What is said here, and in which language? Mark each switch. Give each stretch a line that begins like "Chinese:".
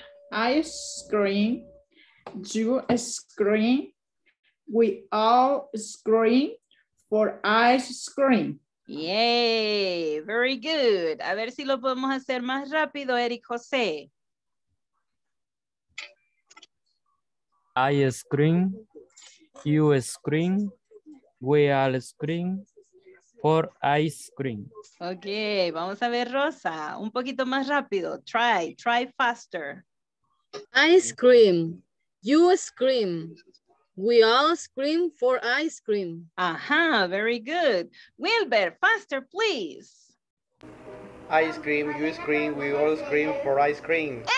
English: I scream, you scream, we all scream for ice cream. Yay, very good.
Spanish: A ver si lo podemos hacer más rápido, Eric José.
English: I scream, you scream, we all scream for ice cream.
Spanish: Okay, vamos a ver, Rosa, un poquito más rápido.
English: Try faster. Ice cream, you scream, we all scream for ice cream. Aha, very good. Wilbert, faster, please. Ice cream, you scream, we all scream for ice cream.